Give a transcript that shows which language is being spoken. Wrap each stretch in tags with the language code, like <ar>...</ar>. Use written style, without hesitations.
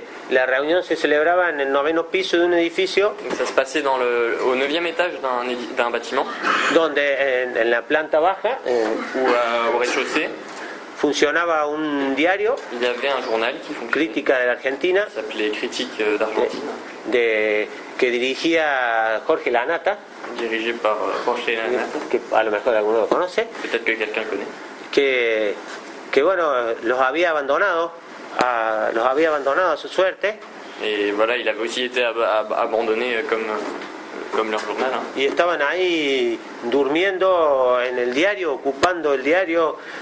<fr>La réunion</fr> <es>se celebraba en el noveno piso de un edificio.</es> <fr>Donc ça se passait au neuvième étage d'un bâtiment.</fr> <es>Donde, en la planta baja.</es> <fr>Au rez-de-chaussée.</fr> <es>Funcionaba un diario.</es> <fr>Il y avait un journal qui fonctionnait.</fr> <es>Crítica de l'Argentina.</es> <fr>Ça s'appelait Critique d'Argentine.</fr> <es>Que dirigía Jorge Lanata.</es> <fr>Dirigé par Jorge Lanata.</fr> <es>Que a lo mejor alguno lo conoce.</es> <fr>Peut-être que quelqu'un connaît.</fr> <es>Que bueno, los había abandonado a su suerte.</es> <fr>Et voilà, il avait aussi été abandonné comme leur journal. Hein.</fr> <es>Y estaban ahí durmiendo en el diario, ocupando el diario.</es>